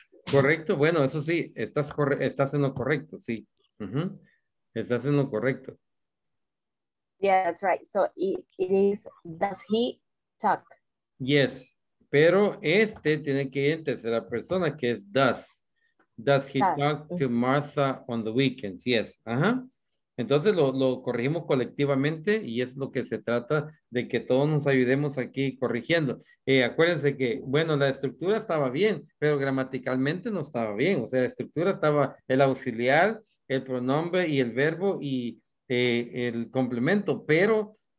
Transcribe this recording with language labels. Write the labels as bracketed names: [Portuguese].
[Spanish] Correcto, bueno, eso sí, estás en lo correcto, sí. Uh-huh. Estás en lo correcto. [English] Yeah, that's right. So it is, does he talk? Yes. [Spanish] Pero este tiene que ir en tercera persona, que es does. [English] Does he talk to Martha on the weekends? Yes. Ajá. [Spanish] Entonces lo corregimos colectivamente y es lo que se trata de que todos nos ayudemos aquí corrigiendo. Acuérdense que, bueno, la estructura estaba bien, pero gramaticalmente no estaba bien. O sea, la estructura estaba el auxiliar, el pronombre y el verbo y el complemento, pero...